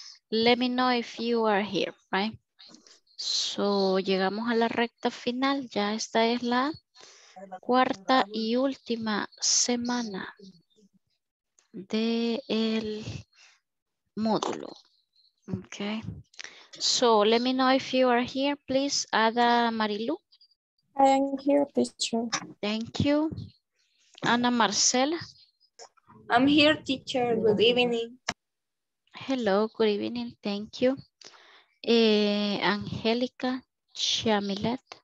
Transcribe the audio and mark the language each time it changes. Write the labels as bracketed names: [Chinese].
[English] Let me know if you are here, right? [Spanish] So, llegamos a la recta final. Ya esta es la cuarta y última semana del módulo. [English] Okay. So, let me know if you are here, please. Ada Marilu. I am here, teacher. Thank you. Ana Marcela. I'm here, teacher. Good evening. Hello, good evening. Thank you. Angélica Chamilet.